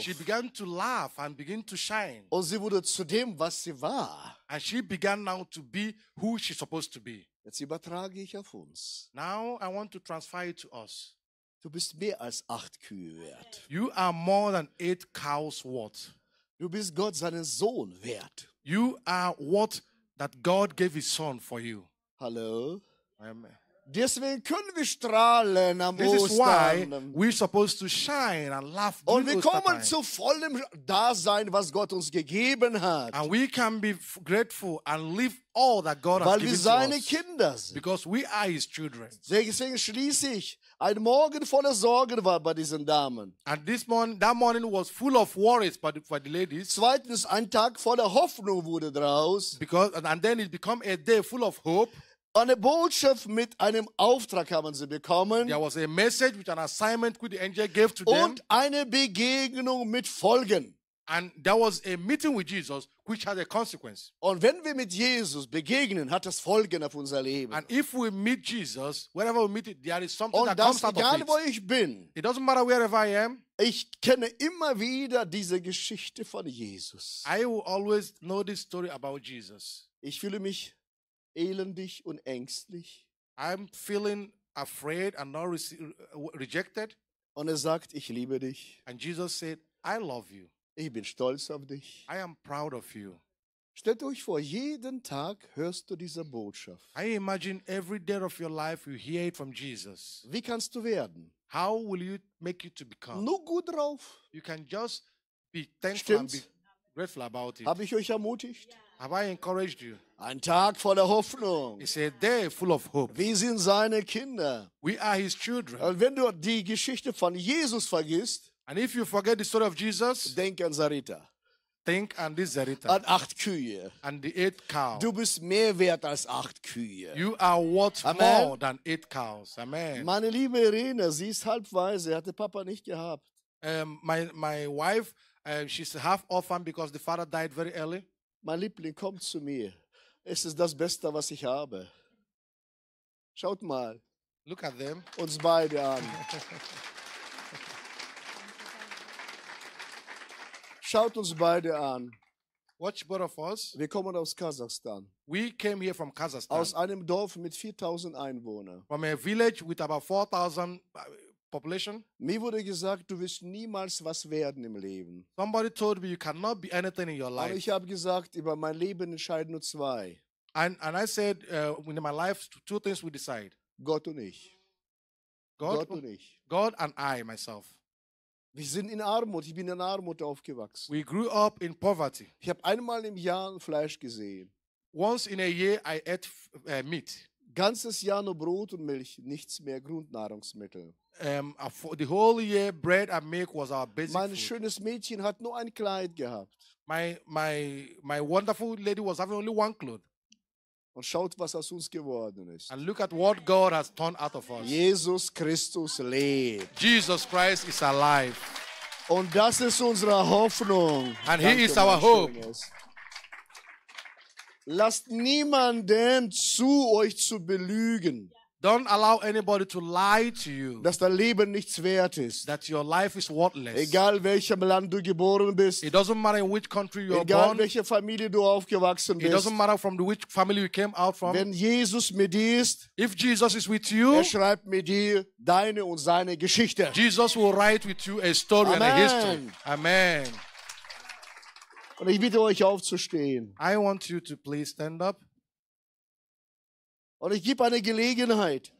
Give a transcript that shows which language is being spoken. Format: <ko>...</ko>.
<en>She began to laugh and begin to shine.</en> <de>Und sie wurde zu dem, was sie war.</de> <en>And she began now to be who she's supposed to be.</en> <de>Jetzt übertrage ich auf uns.</de> <en>Now I want to transfer it to us.</en> <de>Du bist mehr als 8 Kühe wert.</de> <en>You are more than 8 cows worth.</en> <de>Du bist Gott seinen Sohn wert.</de> <en>You are what that God gave his son for you.</en> <de>Hallo. Amen. Deswegen können wir strahlen am</de> <en>this</en> <de>Ostern.</de> <en>Is why we're supposed to shine and laugh.</en> <de>Und wir kommen zu vollem Dasein, was Gott uns gegeben hat.</de> <en>And we can be grateful and live all that God</en> <de>weil</de> <en>has given</en> <de>wir seine</de> <en>to us</en> <de>Kinder sind.</de> <en>Because we are his children.</en> <de>Deswegen schließe ich, ein Morgen voller Sorgen war bei diesen Damen.</de> <en>And this morning, that morning was full of worries for the ladies.</en> <de>Zweitens, ein Tag voller Hoffnung wurde draus.</de> <en>Because, and then it became a day full of hope.</en> <de>Eine Botschaft mit einem Auftrag haben sie bekommen.</de> <en>There was a message with an assignment which the angel gave to</en> <de>und</de> <en>them.</en> <de>Und eine Begegnung mit Folgen.</de> <en>And there was a meeting with Jesus, which had a consequence.</en> <de>Und wenn wir mit Jesus begegnen, hat das Folgen auf unser Leben.</de> <en>And if we meet Jesus, wherever we meet it, there is something</en> <de>und</de> <en>that comes out</en> <de>egal,</de> <en>of it.</en> <de>Wo ich bin,</de> <en>it doesn't matter wherever I am.</en> <de>Ich kenne immer wieder diese Geschichte von Jesus.</de> <en>I will always know this story about Jesus.</en> <de>Ich fühle mich elendig und ängstlich.</de> <en>I'm feeling afraid and not rejected.</en> <de>Und sagt, ich liebe dich.</de> <en>And Jesus said, I love you.</en> <de>Ich bin stolz auf dich.</de> <en>I am proud of you.</en> <de>Stellt euch vor, jeden Tag hörst du diese Botschaft.</de> <en>I imagine every day of your life you hear it from Jesus.</en> <de>Wie kannst du werden?</de> <en>How will you make it to become?</en> <de>Nur gut drauf.</de> <en>You can just be thankful.</en> <de>Stimmt.</de> <en>And be grateful about it.</en> <de>Habe ich euch ermutigt?</de> <en>Have I encouraged you?</en> <de>Ein Tag voller Hoffnung.</de> <en>It's a day full of hope.</en> <de>Wir sind seine Kinder.</de> <en>We are his children.</en> <de>Und wenn du die Geschichte von Jesus vergisst,</de> <en>and if you forget the story of Jesus,</en> <de>denk an Sarita.</de> <en>Think on this Sarita.</en> <de>An 8 Kühe.</de> <en>And the 8 cows.</en> <de>Du bist mehr wert als 8 Kühe.</de> <en>You are worth more than 8 cows. Amen.</en> <de>Meine liebe Irene, sie ist halbweise, hatte Papa nicht gehabt.</de> <en>My wife, she's half orphan because the father died very early.</en> <de>Mein Liebling, komm zu mir. Es ist das Beste, was ich habe. Schaut mal.</de> <en>Look at them.</en> <de>Uns beide an. Schaut uns beide an.</de> <en>Watch both of us.</en> <de>Wir kommen aus Kasachstan.</de> <en>We came here from Kazakhstan.</en> <de>Aus einem Dorf mit 4000 Einwohnern.</de> <en>From a village with about 4000 population.</en> <de>Mir wurde gesagt, du wirst niemals was werden im Leben.</de> <en>Somebody told me you cannot be anything in your life.</en> <de>Aber ich habe gesagt, über mein Leben entscheiden nur zwei.</de> <en>And I said, in my life, 2 things we decide.</en> <de>Gott und ich. Gott und ich.</de> <en>God and I, myself.</en> <de>Wir sind in Armut. Ich bin in Armut aufgewachsen.</de> <en>We grew up in poverty.</en> <de>Ich habe einmal im Jahr Fleisch gesehen.</de> <en>Once in a year I ate meat.</en> <de>Ganzes Jahr nur Brot und Milch, nichts mehr Grundnahrungsmittel.</de> <en>The whole year bread and milk was our basic food.</en> <de>Mein schönes Mädchen hat nur ein Kleid gehabt.</de> <en>My wonderful lady was having only one cloth.</en> <de>Und schaut, was aus uns geworden ist.</de> <en>And look at what God has turned out of us.</en> <de>Jesus Christus lebt.</de> <en>Jesus Christ is alive.</en> <de>Und das ist unsere Hoffnung.</de> <en>And he is our hope.</en> <de>Lasst niemanden zu euch zu belügen.</de> <en>Don't allow anybody to lie to you.</en> <de>Dass dein Leben nichts wert ist.</de> <en>That your life is worthless.</en> <de>Egal welchem Land du geboren bist.</de> <en>It doesn't matter in which country you are</en> <de>egal</de> <en>born.</en> <de>Welche Familie du aufgewachsen</de> <en>it</en> <de>bist.</de> <en>It doesn't matter from which family you came out from.</en> <de>Wenn Jesus mit dir ist,</de> <en>if Jesus is with you,</en> <de>er schreibt mit dir deine und seine Geschichte.</de> <en>Jesus will write with you a story. Amen. And a history. Amen.</en> <de>Und ich bitte euch aufzustehen.</de> <en>I want you to please stand up.</en> <de>Und ich gebe eine Gelegenheit.</de>